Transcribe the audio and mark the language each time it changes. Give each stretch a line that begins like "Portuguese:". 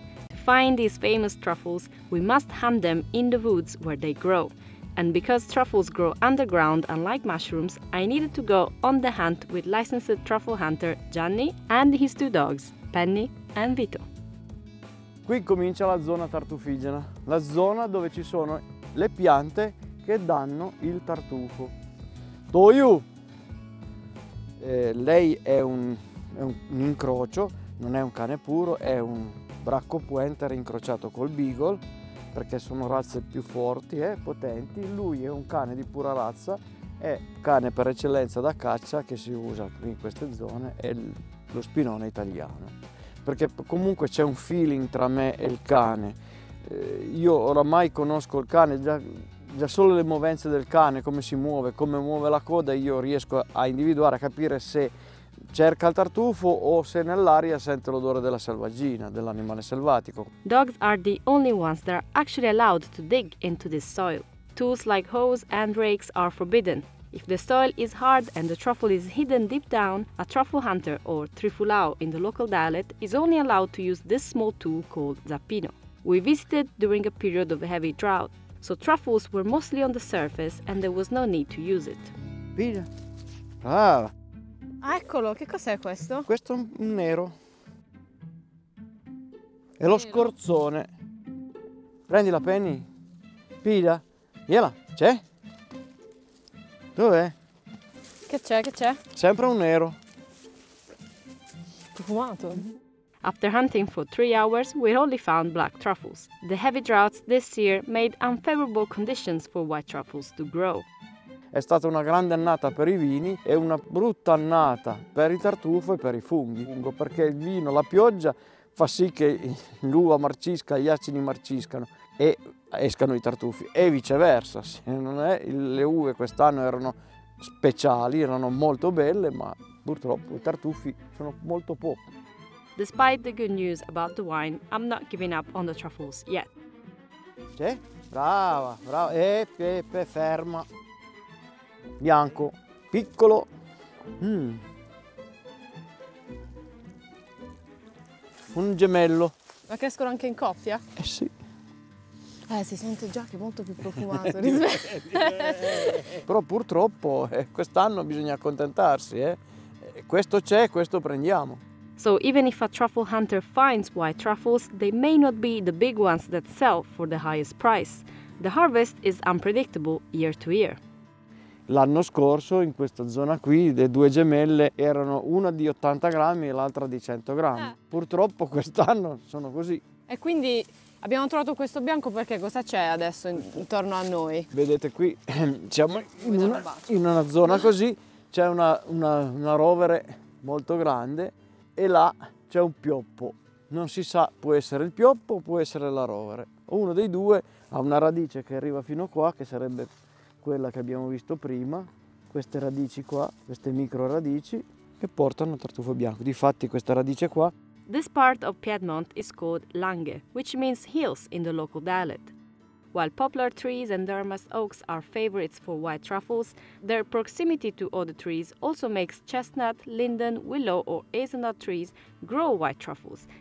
English: To find these famous truffles, we must hunt them in the woods where they grow. And because truffles grow underground, unlike mushrooms, I needed to go on the hunt with licensed truffle hunter Gianni and his two dogs, Penny and Vito.
Italian: Qui comincia la zona tartufigena, la zona dove ci sono le piante che danno il tartufo. Toyu! Lei è un incrocio, non è un cane puro, è un bracco pointer incrociato col beagle, perché sono razze più forti e potenti. Lui è un cane di pura razza, è cane per eccellenza da caccia che si usa qui in queste zone, è lo spinone italiano. Perché comunque c'è un feeling tra me e il cane. Io oramai conosco il cane, già solo le movenze del cane, come si muove, come muove la coda, io riesco a individuare, a capire se cerca il tartufo o se nell'aria sente l'odore della selvaggina, dell'animale selvatico.
English: Dogs are the only ones that are actually allowed to dig into this soil. Tools like hoes and rakes are forbidden. If the soil is hard and the truffle is hidden deep down, a truffle hunter, or trifulao in the local dialect, is only allowed to use this small tool called zappino. We visited during a period of heavy drought, so truffles were mostly on the surface and there was no need to use it.
Italian: Pina. Brava! Eccolo, che cos'è questo? Questo è un nero. È lo scorzone. Prendi la Penny. Pida, vieni, c'è? Dov'è? Che c'è? Sempre un nero. Profumato.
English: After hunting for 3 hours, we only found black truffles. The heavy droughts this year made unfavorable conditions for white truffles to grow.
Italian: È stata una grande annata per i vini e una brutta annata per il tartufo e per i funghi. Perché il vino, la pioggia, fa sì che l'uva marcisca, gli acini marciscano e escano i tartufi. E viceversa, se non è, le uve quest'anno erano speciali, erano molto belle, ma purtroppo i tartufi sono molto pochi.
English: Despite the good news about the wine, I'm not giving up on the truffles yet.
Italian: C'è? Brava. Pepe, ferma. Bianco, piccolo. Un gemello. Ma crescono anche in coppia? Eh sì. Si sente già che è molto più profumato. Però purtroppo quest'anno bisogna accontentarsi. Questo c'è, questo prendiamo.
English: So even if a truffle hunter finds white truffles, they may not be the big ones that sell for the highest price. The harvest is unpredictable year to year.
Italian: L'anno scorso in questa zona qui le due gemelle erano una di 80 grammi e l'altra di 100 grammi. Purtroppo quest'anno sono così. E quindi abbiamo trovato questo bianco perché cosa c'è adesso intorno a noi? Vedete qui, siamo in una zona così, c'è una rovere molto grande e là c'è un pioppo. Non si sa, può essere il pioppo o può essere la rovere. Uno dei due ha una radice che arriva fino qua, che sarebbe quella che abbiamo visto prima, queste radici qua, queste micro radici, che portano al tartufo bianco. Difatti questa radice qua.
English: This part of Piedmont is called Lange, which means hills in the local dialect. While poplar trees and Dermas oaks are favorites for white truffles, their proximity to other trees also makes chestnut, linden, willow or hazelnut trees grow white truffles.